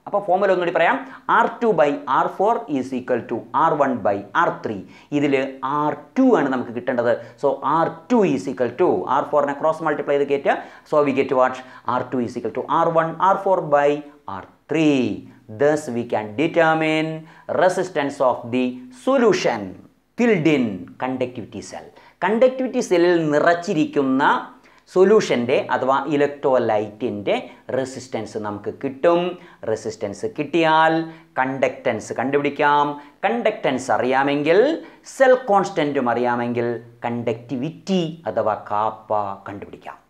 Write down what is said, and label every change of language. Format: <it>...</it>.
<ml>അപ്പോൾ ഫോർമുല ഒന്നുകൂടി പറയാം,</ml> <en>R2/R4 is equal to R1/R3.</en> <ml>ഇതിൽ R2 ആണ് നമുക്ക് കിട്ടേണ്ടത്.</ml> <en>so R2 is equal to R4</en> <ml>cross multiply ചെയ്ത് കയറ്റുക.</ml> <en>So we get what? R2 is equal to R1/R4/R3. Thus we can determine resistance of the solution filled in conductivity cell.</en> <ml>Conductivity cell നിറച്ചിരിക്കുന്ന സൊല്യൂഷൻ്റെ അഥവാ ഇലക്ട്രോലൈറ്റിൻ്റെ resistance നമുക്ക് കിട്ടും. Resistance കിട്ടിയാൽ conductance കണ്ടുപിടിക്കാം. Conductance അറിയാമെങ്കിൽ cell കോൺസ്റ്റൻറ്റും അറിയാമെങ്കിൽ conductivity അഥവാ കാപ്പ കണ്ടുപിടിക്കാം.</ml>